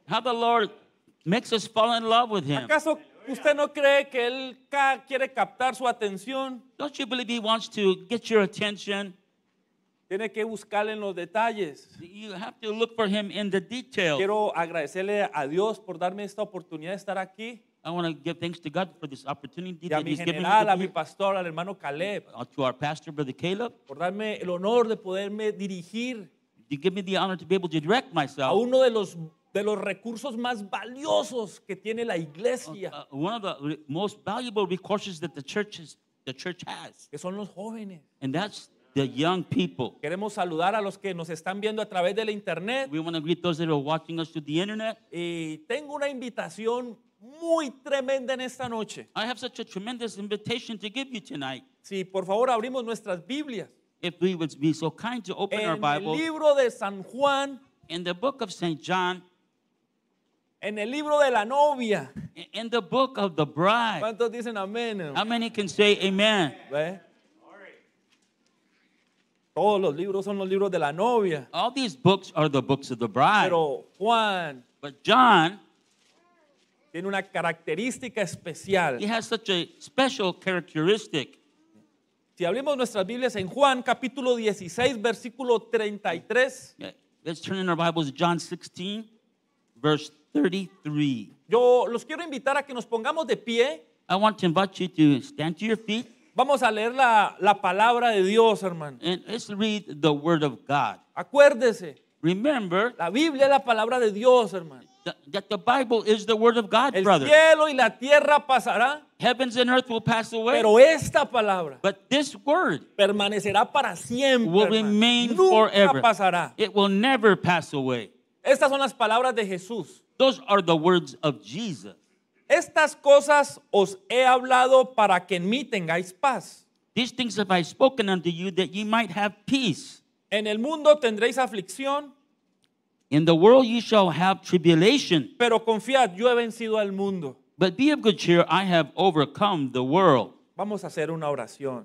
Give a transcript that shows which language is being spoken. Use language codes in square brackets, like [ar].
[en] How the Lord makes us fall in love with him. [es] ¿Acaso usted no cree que él quiere captar su atención? [en] Don't you believe he wants to get your attention? [es] Tiene que buscarle en los detalles. [en] You have to look for him in the details. [es] Quiero agradecerle a Dios por darme esta oportunidad de estar aquí. [en] I want to give thanks to God for this opportunity that he's given me. [es] Y a mi general, a mi pastor, al hermano Caleb. [en] To our pastor, Brother Caleb. [es] Por darme el honor de poderme dirigir. [en] You give me the honor to be able to direct myself. [es] A uno de los recursos más valiosos que tiene la iglesia. [en] One of the most valuable resources that the church has. [es] Que son los jóvenes. [en] And that's the young people. [es] Queremos saludar a los que nos están viendo a través de la internet. [en] We want to greet those that are watching us through the internet. [es] Y tengo una invitación muy tremenda en esta noche. [en] I have such a tremendous invitation to give you tonight. [es] Sí, por favor, abrimos nuestras Biblias. [en] If we would be so kind to open [es] en [en] our Bible. [es] En el libro de San Juan. [en] In the book of St. John. [es] En el libro de la novia. [en] In the book of the bride. [es] ¿Cuántos dicen amén? [en] How many can say amen? [es] ¿Ve? Todos los libros son los libros de la novia. [en] All these books are the books of the bride. [es] Pero Juan. [en] But John. [es] Tiene una característica especial. [en] He has such a special characteristic. [es] Si abrimos nuestras Biblias en Juan, capítulo 16, versículo 33. [en] Let's turn in our Bibles to John 16, verse 33. [es] Yo los quiero invitar a que nos pongamos de pie. [en] I want to invite you to stand to your feet. [es] Vamos a leer la palabra de Dios, hermano. [en] And let's read the word of God. [es] Acuérdese. [en] Remember. [es] La Biblia es la palabra de Dios, hermano. [en] That the Bible is the word of God, [es] el [en] brother. [es] El cielo y la tierra pasará. [en] Heavens and earth will pass away. [es] Pero esta palabra. [en] But this word. [es] Permanecerá para siempre, [en] will [es] hermano. [en] Remain [es] nunca [en] forever. [es] Nunca pasará. [en] It will never pass away. [es] Estas son las palabras de Jesús. [en] Those are the words of Jesus. [es] Estas cosas os he hablado para que en mí tengáis paz. [en] These things have I spoken unto you that ye might have peace. [es] En el mundo tendréis aflicción. [en] In the world you shall have tribulation. [es] Pero confiad, yo he vencido al mundo. [en] But be of good cheer, I have overcome the world. [es] Vamos a hacer una oración.